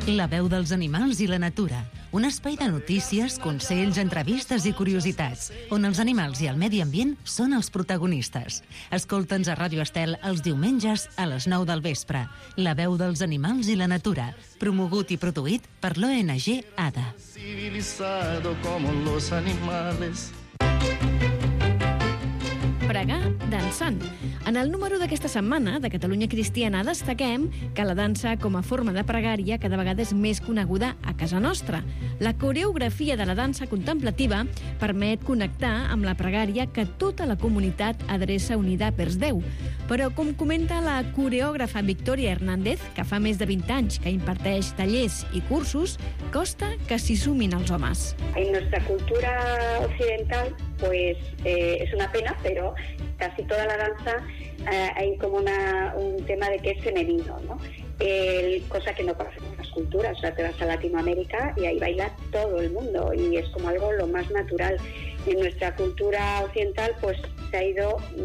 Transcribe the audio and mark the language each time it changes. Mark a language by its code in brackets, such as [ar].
[ca] La veu dels animals i la natura. Un espai de notícies, consells, entrevistes i curiositats, on els animals i el medi ambient són els protagonistes. Escolta'ns a Ràdio Estel els diumenges a les 9 del vespre. La veu dels animals i la natura. Promogut i produït per l'ONG ADA. [es] Civilizado como los animales. [ca] Pregar dansant. En el número d'aquesta setmana de Catalunya Cristiana destaquem que la dansa com a forma de pregària cada vegada és més coneguda a casa nostra. La coreografia de la dansa contemplativa permet connectar amb la pregària que tota la comunitat adreça unida per Déu. Però, com comenta la coreògrafa Victoria Hernández, que fa més de 20 anys que imparteix tallers i cursos, costa que s'hi sumin els homes. [es] En nuestra cultura occidental, pues es una pena, pero casi toda la danza hay como un tema de que es femenino, ¿no? Cosa que no pasa en otras culturas. O sea, te vas a Latinoamérica y ahí baila todo el mundo y es como algo lo más natural. Y en nuestra cultura occidental, pues se ha ido...